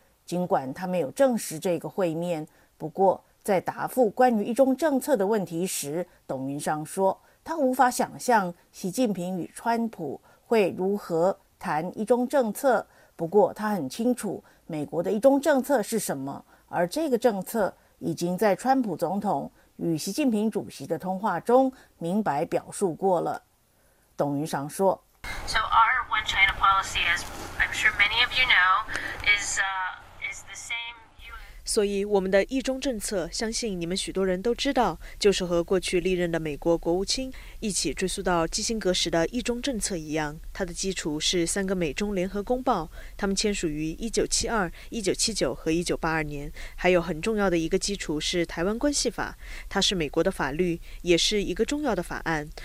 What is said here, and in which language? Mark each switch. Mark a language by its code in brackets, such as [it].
[zh] 尽管他没有证实这个会面，不过在答复关于一中政策的问题时，董云商说他无法想象习近平与川普会如何谈一中政策，不过他很清楚美国的一中政策是什么，而这个政策已经在川普总统与习近平主席的通话中明白表述过了。董云商说 [en] So our one China policy, as I'm sure many of you know, is,the same. [zh] 所以我们的一中政策相信你们许多人都知道，就是和过去历任的美国国务卿一起追溯到基辛格时的一中政策一样，它的基础是三个美中联合公报，他们签署于1972、1979和1982年，还有很重要的一个基础是台湾关系法，它是美国的法律，也是一个重要的法案，